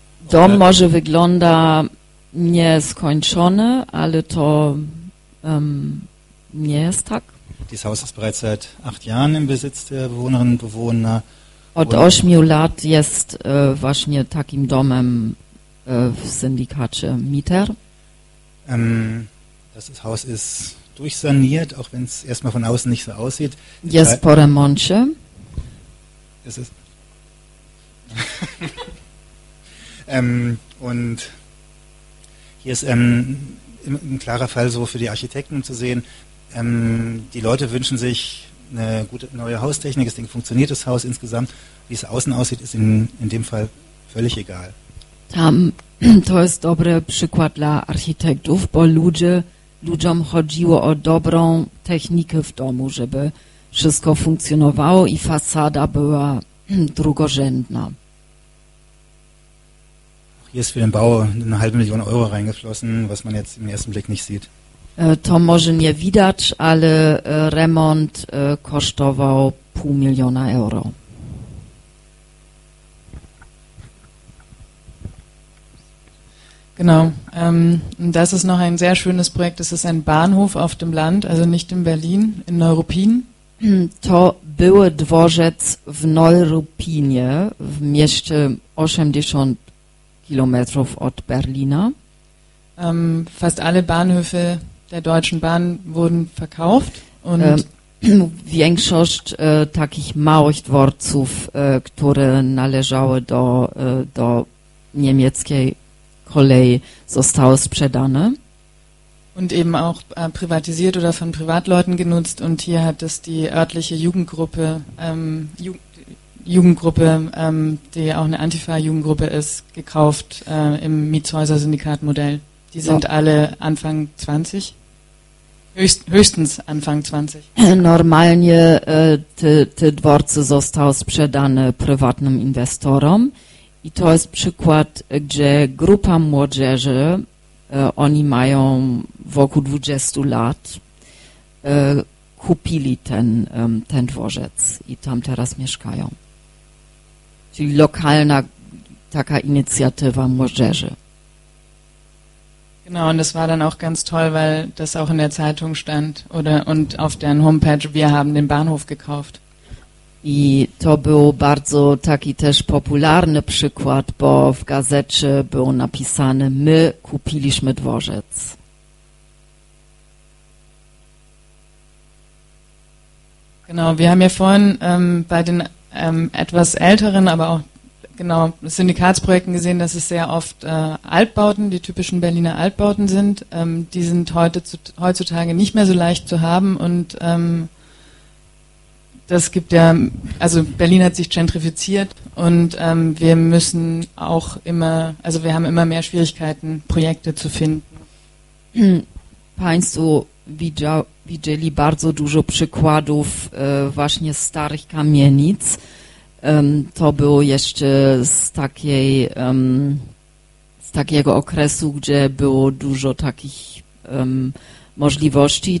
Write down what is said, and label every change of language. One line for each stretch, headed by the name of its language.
Polish: Dom może wygląda nieskończony, ale to nie jest tak.
German: Dieses Haus ist bereits seit 8 Jahren im Besitz der Bewohnerinnen und Bewohner.
Polish: Od 8 lat jest właśnie takim domem w syndikacie Mieter.
German: Das Haus ist durchsaniert, auch wenn es erstmal von außen nicht so aussieht.
Polish: Jest po remoncie.
German: Es ist und hier ist ein klarer Fall so für die Architekten zu sehen. Die Leute wünschen sich eine gute neue Haustechnik, das Ding funktioniert, das Haus insgesamt. Wie es außen aussieht, ist in dem Fall völlig egal.
Polish: Tam, to jest dobry przykład dla architektów, bo ludziom chodziło o dobrą technikę w domu, żeby wszystko funkcjonowało i fasada była drugorzędna.
German: Hier ist für den Bau eine 500.000 € reingeflossen, was man jetzt im ersten Blick nicht sieht.
Polish: To może nie widać, ale remont kosztował 500.000 €.
German: Genau. Das ist noch ein sehr schönes Projekt. Das ist ein Bahnhof auf dem Land, also nicht in Berlin, in Neuruppin.
Polish: To był dworzec w Neuruppinie, w mieście 80 kilometrów od Berlina.
German: Fast alle Bahnhöfe der Deutschen Bahn wurden verkauft. Und
Polish: większość takich małych dworców, które należały do niemieckiej Kolei, zostały sprzedane.
German: Und eben auch privatisiert oder von Privatleuten genutzt. Und hier hat es die örtliche Jugendgruppe, die auch eine Antifa-Jugendgruppe ist, gekauft im Mietshäuser-Syndikat-Modell. Die sind alle Anfang 20. Höchstens Anfang 20.
Polish: Normalnie te dworce zostały sprzedane prywatnym inwestorom. I to jest przykład, gdzie grupa młodzieży, oni mają wokół 20 lat, kupili ten dworzec i tam teraz mieszkają. Czyli lokalna taka inicjatywa młodzieży.
German: Genau, und das war dann auch ganz toll, weil das auch in der Zeitung stand oder und auf deren Homepage, wir haben den Bahnhof gekauft.
Polish: I to był bardzo taki też popularny przykład, bo w gazecie było napisane, my kupiliśmy dworzec.
German: Genau, wir haben ja vorhin bei den etwas älteren, aber auch genau Syndikatsprojekten gesehen, dass es sehr oft Altbauten, die typischen Berliner Altbauten sind. Die sind heutzutage nicht mehr so leicht zu haben und das gibt ja, also Berlin hat sich gentrifiziert und wir müssen auch immer, also wir haben immer mehr Schwierigkeiten, Projekte zu finden.
Polish: Państwo widzieli bardzo dużo przykładów właśnie starych kamienic. To było jeszcze z takiego okresu, gdzie było dużo takich możliwości.